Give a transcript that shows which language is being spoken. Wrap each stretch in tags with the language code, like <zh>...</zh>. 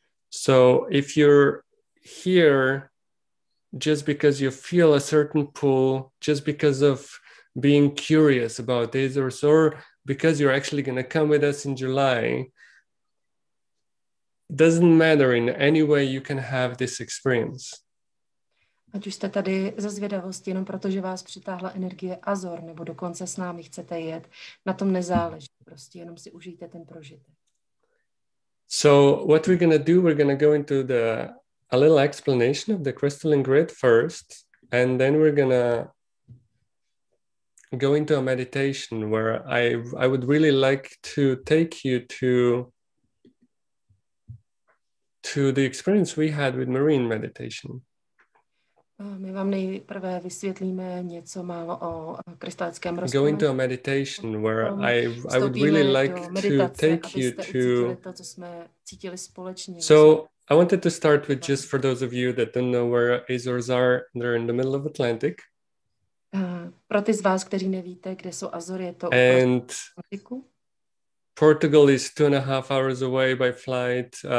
<en>So if you're here just because you feel a certain pull, just because of being curious about Azores, or because you're actually going to come with us in July, doesn't matter in any way, you can have this experience.</en> <cs>Ať už jste tady ze zvědavosti, jenom protože vás přitáhla energie Azor, nebo dokonce s námi chcete jet, na tom nezáleží, prostě jenom si užijte ten prožitek.</cs> <en>So what we're going to do, we're going to go into a little explanation of the crystalline grid first, and then we're going to go into a meditation where I would really like to take you to the experience we had with marine meditation.</en> <cs>My vám nejprve vysvětlíme něco málo o krystalickém rozpoznání.</cs> <en>Go into a meditation where I would really like to take you to.</en> <cs>To, co jsme cítili společně.</cs> <en>So I wanted to start with, just for those of you that don't know where Azores are, they're in the middle of Atlantic.</en> <cs>Pro ty z vás, kteří nevíte, kde jsou Azory, je to uprostřed Atlantiku.</cs> <en>Portugal is 2.5 hours away by flight.</en>